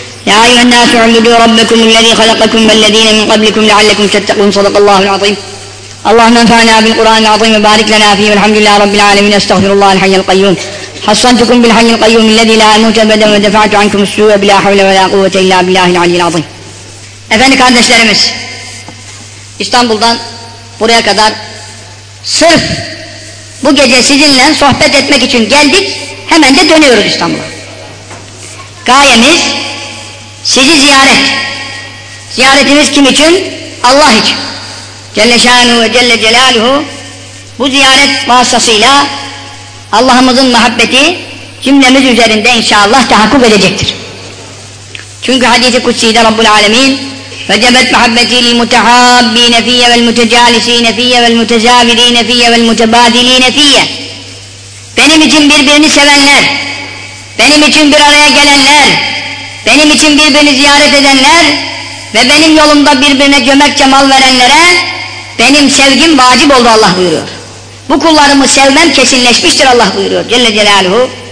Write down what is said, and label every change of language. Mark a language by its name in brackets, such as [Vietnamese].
[Arabic] يا أيها الناس اعبدوا ربكم الذي خلقكم والذين من قبلكم لعلكم تتقون. صدق الله العظيم. اللهم انفعنا بالقرآن العظيم وبارك لنا فيه والحمد لله رب العالمين. استغفر الله الحي القيوم. حصنتكم بالحي القيوم الذي لا يموت أبدا ودفعت عنكم السوء بلا حول ولا قوة إلا بالله العلي العظيم. [Turkish] Efendim kardeşlerimiz, İstanbul'dan buraya kadar sırf bu gece sizinle sohbet etmek için geldik, hemen de dönüyoruz İstanbul'a. Gayemiz sizi ziyaret. Ziyaretimiz kim için? Allah için. Celle Şanuhu ve Celle Celaluhu bu ziyaret vasıtasıyla Allah'ımızın muhabbeti cümlemiz üzerinde inşallah tahakkuk edecektir. Çünkü hadis-i kutsi'de Rabbul Alemin [Arabic] فجبت محبتي للمتحابين فيا والمتجالسين فيا والمتزاورين فيا والمتبادلين فيا. [Turkish] Benim için birbirini sevenler, benim için bir araya gelenler, benim için birbirini ziyaret edenler ve benim yolumda birbirine gömekçe mal verenlere benim sevgim vacip oldu Allah buyuruyor. Bu kullarımı sevmem kesinleşmiştir Allah buyuruyor Celle Celaluhu.